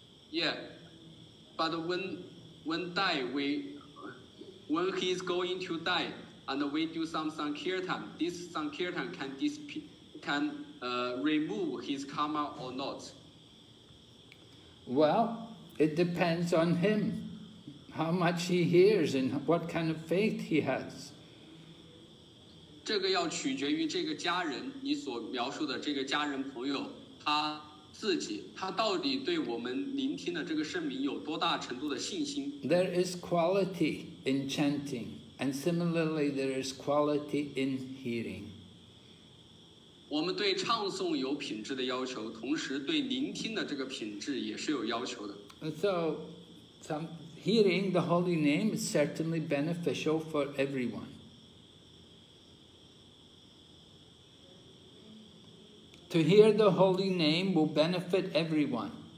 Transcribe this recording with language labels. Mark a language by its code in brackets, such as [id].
[en] Yeah, but when he is going to die, and we do some sankirtan, this sankirtan can remove his karma or not? Well, it depends on him, how much he hears and what kind of faith he has. [zh] 这个要取决于这个家人，你所描述的这个家人朋友，他自己，他到底对我们聆听的这个圣名有多大程度的信心。 [en] There is quality in chanting, and similarly there is quality in hearing. [zh] 我们对唱诵有品质的要求，同时对聆听的这个品质也是有要求的。 [en] So, hearing the holy name is certainly beneficial for everyone. To hear the holy name will benefit everyone.